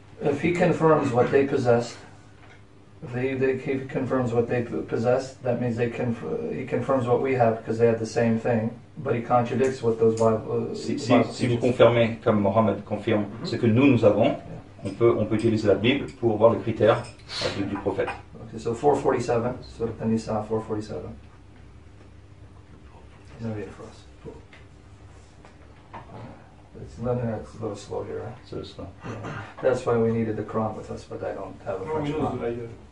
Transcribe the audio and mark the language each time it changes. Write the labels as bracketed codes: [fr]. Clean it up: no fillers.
[en] If he confirms what they possessed, he confirms what they possess, that means they he confirms what we have because they have the same thing, but he contradicts what those [fr] si vous confirmez comme Mohammed confirme mm-hmm. ce que nous avons yeah. on peut utiliser la Bible pour voir les critères du prophète. [en] Okay, so 447 Surah An-Nisa 447 he's not here for us it's a little slow here right? It's a slow. Yeah. That's why we needed the Quran with us but I don't have a French Quran.